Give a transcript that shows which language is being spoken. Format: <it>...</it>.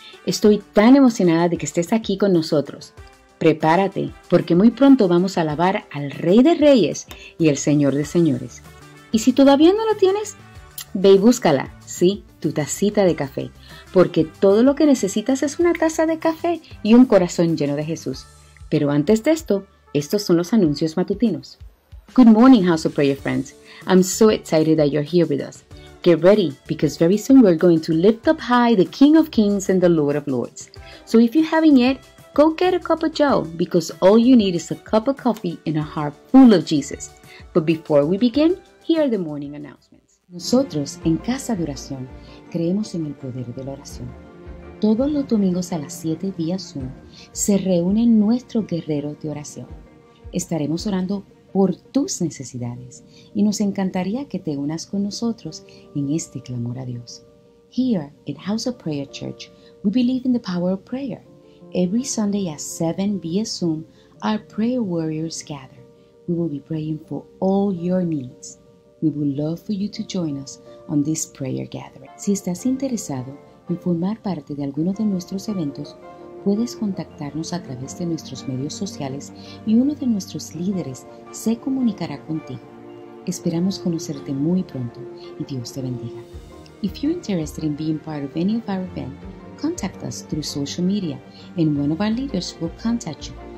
<es>Estoy tan emocionada de que estés aquí con nosotros. Prepárate, porque muy pronto vamos a alabar al Rey de Reyes y el Señor de Señores. Y si todavía no la tienes, ve y búscala, sí, tu tacita de café, porque todo lo que necesitas es una taza de café y un corazón lleno de Jesús. Pero antes de esto, estos son los anuncios matutinos.</es> <en>Good morning, House of Prayer friends. I'm so excited that you're here with us. Get ready, because very soon we're going to lift up high the King of Kings and the Lord of Lords. So if you haven't yet, go get a cup of joe, because all you need is a cup of coffee and a heart full of Jesus. But before we begin, here are the morning announcements.</en> <es>Nosotros, en Casa de Oración, creemos en el poder de la oración. Todos los domingos a las 7 vía Zoom, se reúnen nuestros guerreros de oración. Estaremos orando por tus necesidades, y nos encantaría que te unas con nosotros en este clamor a Dios.</es> <en>Here at House of Prayer Church, we believe in the power of prayer. Every Sunday at 7 via Zoom, our prayer warriors gather. We will be praying for all your needs. We would love for you to join us on this prayer gathering.</en> <es>Si estás interesado en formar parte de alguno de nuestros eventos, puedes contactarnos a través de nuestros medios sociales y uno de nuestros líderes se comunicará contigo. Esperamos conocerte muy pronto y Dios te bendiga.</es> <en>If you're interested in being part of any of our events, contact us through social media and one of our leaders will contact you.</en>